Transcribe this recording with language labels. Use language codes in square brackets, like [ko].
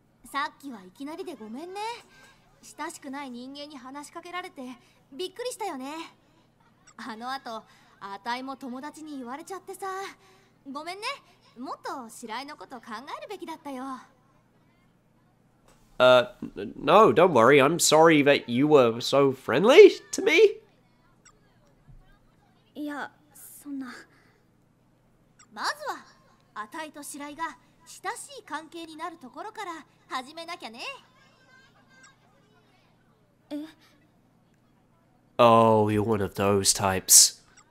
[ja] さっきはいきなりでごめんね。親しくない人間に話しかけられてびっくりしたよね。あのあと、あたいも友達に言われちゃってさ。ごめんね、もっと白井のこと考えるべきだったよ。 [en] No, don't worry. I'm sorry that you were so friendly to me. [ja] Yeah, そんな。まずは、あたいと白井が親しい関係になるところから始めなきゃね。え？ [en] Oh, you're one of those types.